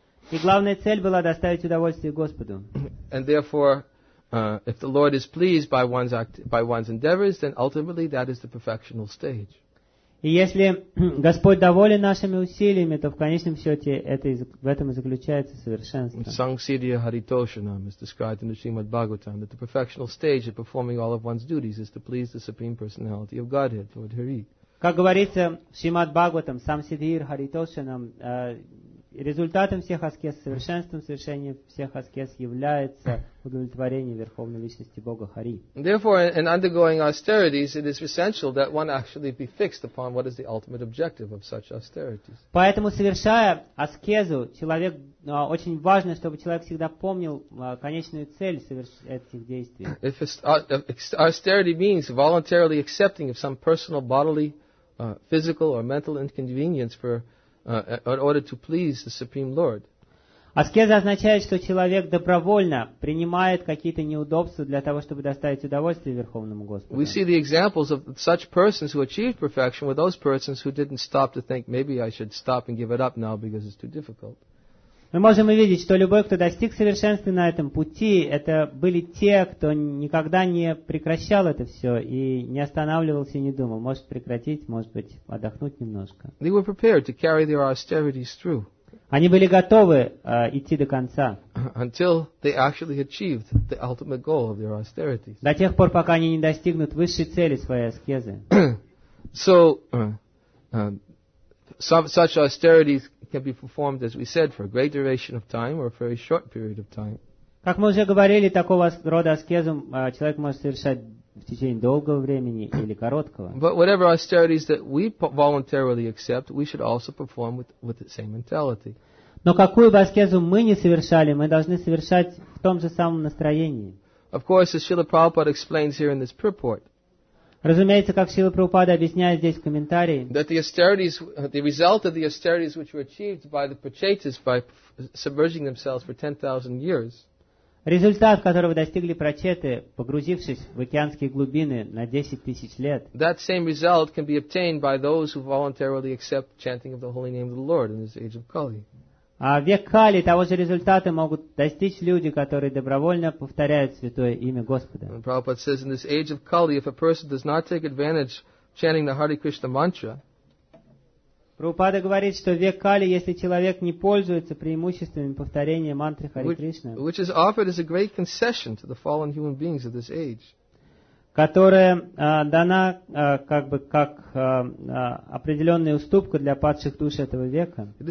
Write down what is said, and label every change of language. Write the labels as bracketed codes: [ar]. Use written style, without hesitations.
[ru] И главная цель была доставить удовольствие Господу. [en] And therefore, if the Lord is pleased by one's endeavors, then ultimately that is the perfectional stage. [ru] И если Господь доволен нашими усилиями, то в конечном счете в этом и заключается совершенство. [en] Sangsidya Haritoshanam is described in the Srimad Bhagavatam that the perfectional stage of performing all of one's duties is to please the Supreme Personality of Godhead, Lord Hari. [ru] Как говорится в Шримад Бхагаватам, Самсидир Харитошанам, результатом всех аскез, совершенством совершения всех аскез является удовлетворение Верховной Личности Бога Хари. [en] Therefore, in undergoing austerities, it is essential that one actually be fixed upon what is the ultimate objective of such austerities. [ru] Поэтому, совершая аскезу, человек очень важно, чтобы человек всегда помнил конечную цель этих действий. [en] If austerity means voluntarily accepting of some personal bodily, physical or mental inconvenience for in order to please the Supreme Lord. [ru] Аскеза означает, что человек добровольно принимает какие-то неудобства для того, чтобы доставить удовольствие Верховному Господу. [en] We see the examples of such persons who achieved perfection were those persons who didn't stop to think, maybe I should stop and give it up now because it's too difficult. [ru] Мы можем увидеть, что любой, кто достиг совершенства на этом пути, это были те, кто никогда не прекращал это все и не останавливался и не думал, может прекратить, может быть, отдохнуть немножко. [en] They were prepared to carry their austerities through. [ru] Они были готовы идти до конца. [en] Until they actually achieved the ultimate goal of their austerities. [ru] До тех пор, пока они не достигнут высшей цели своей аскезы. [en] So, such austerities can be performed, as we said, for a great duration of time or for a short period of time. [ru] Как мы уже говорили, такого рода аскезу человек может совершать в течение долгого времени или короткого. [en] But whatever austerities that we voluntarily accept, we should also perform with the same mentality. [ru] Но какую бы аскезу мы ни совершали, мы должны совершать в том же самом настроении. [en] Of course, as Srila Prabhupada explains here in this purport, [ru] разумеется, как Шрила Прабхупада объясняет здесь в комментарии, [en] that the austerities, the result of the austerities which were achieved by the prachetas by submerging themselves for 10,000 years, [ru] результат, которого достигли прачеты, погрузившись в океанские глубины на 10 тысяч лет, [en] that same result can be obtained by those who voluntarily accept chanting of the holy name of the Lord in this age of Kali. [ru] А век Кали того же результата могут достичь люди, которые добровольно повторяют святое имя Господа. [en] Prabhupada says in this age of Kali, if a person does not take advantage of chanting the Hare Krishna mantra, [ru] Prabhupada говорит, что век Кали, если человек не пользуется преимуществами повторения мантры Харе Кришна, [en] which is offered as a great concession to the fallen human beings of this age, [ru] которая дана как бы как определенная уступка для падших душ этого века,